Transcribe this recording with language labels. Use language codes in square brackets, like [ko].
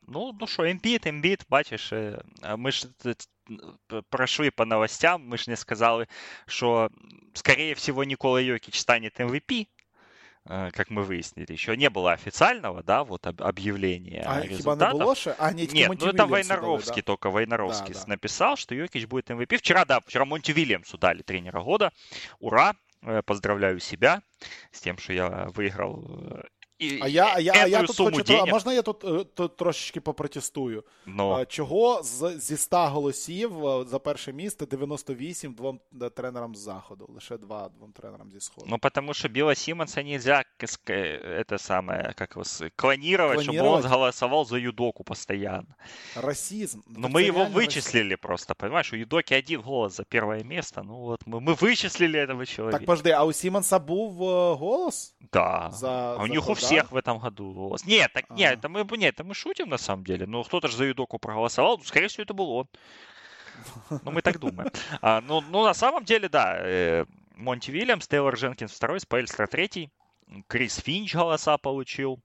[uk] Ну, що, Ембіт, Ембіт, бачиш, ми ж пройшли по новостям, ми ж не сказали, що, скоріше всього, Нікола Йокіч стане МВП. [ru] Как мы выяснили, еще не было официального, да, вот объявления результатов. Хиба не было? А, нет, нет, Монти ну это Войнаровский, да? Только Войнаровский, да, написал, да, что Йокич будет MVP. Вчера, да, вчера Монти Вильямсу дали тренера года. Ура! Поздравляю себя с тем, что я выиграл эту сумму хочу, денег. А можно я тут трошечки попротестую? Но. [uk] Чого зі 100 голосів за перше місце 98 двом тренерам з Заходу? Лише 2 двом тренерам зі Сходу. [ru] Ну, потому що Біла Сімонса нельзя это самое, как его, клонировать, чтобы он голосовал за Юдоку постоянно. Расизм. Ну, мы его вычислили расизм. Просто, понимаешь? У Юдоки один голос за первое место. Ну, вот мы вычислили этого человека. [uk] Так, подожди, а у Сімонса був голос? [ru] Да. За у них ход, у всех, да, в этом году голос. Нет, так, нет, это мы, нет, это мы шутим на самом деле. Ну, кто-то же за Юдоку проголосовал. Ну, скорее всего, это был он. Ну, мы так думаем. А, ну, на самом деле, да. Монти Вильямс, Тейлор Дженкинс второй, Споэльстра третий. Крис Финч голоса получил.